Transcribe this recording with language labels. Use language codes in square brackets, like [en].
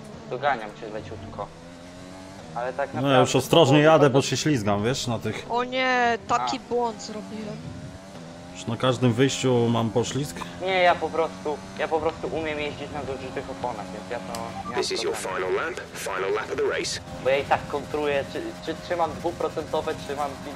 [pl] Doganiam cię leciutko. Ale tak naprawdę... No ja już ostrożnie jadę, bo się ślizgam, wiesz, na tych... O nie, taki błąd zrobiłem. Już na każdym wyjściu mam poślizg? Nie, ja po prostu umiem jeździć na zużytych oponach, więc ja to... [en] This is your final lap of the race. [pl] Bo ja i tak kontruję, czy mam 2%, czy mam 50%.